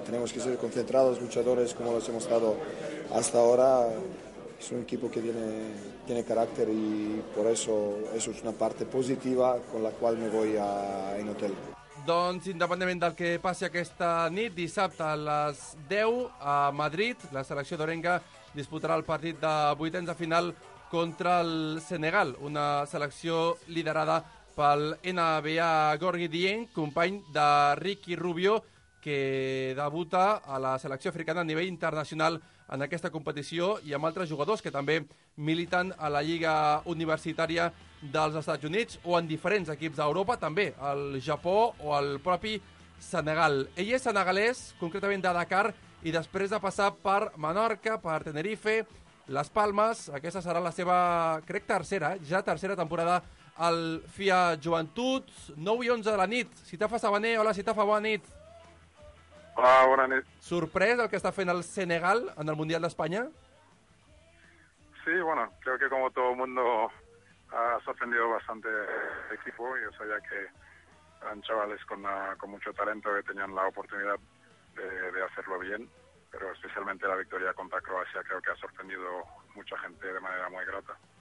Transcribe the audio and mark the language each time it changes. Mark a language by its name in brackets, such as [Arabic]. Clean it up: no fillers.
[Spanish] Tenemos que ser concentrados, luchadores, como los hemos estado hasta ahora. Es un equipo que tiene carácter, y por eso es una parte positiva con la cual me voy a en hotel. [Catalan] Doncs, independentment del que passi aquesta nit, dissabte a les 10 a Madrid, la selecció d'Orenga disputarà el partit de vuitens de final contra el Senegal, una selecció liderada pel NBA Gorgui Dieng, company de Ricky Rubio, que debuta a la selecció africana a nivell internacional en aquesta competició, i amb altres jugadors que també militen a la Lliga Universitària dels Estats Units o en diferents equips d'Europa, també al Japó o al propi Senegal. Ell és senegalès, concretament de Dakar, i després de passar per Menorca, per Tenerife, Les Palmes, aquesta serà la seva, crec, tercera temporada al FIA Joventut. 9 i 11 de la nit. Sitafa Sabané, hola Sitafa, bona nit. Hola, bona nit. Sorprès el que està fent el Senegal en el Mundial d'Espanya? [Spanish] Sí, bueno, creo que como todo el mundo ha sorprendido bastante el equipo. Yo sabía que eran chavales con mucho talento, que tenían la oportunidad de hacerlo bien, pero especialmente la victoria contra Croacia creo que ha sorprendido mucha gente de manera muy grata.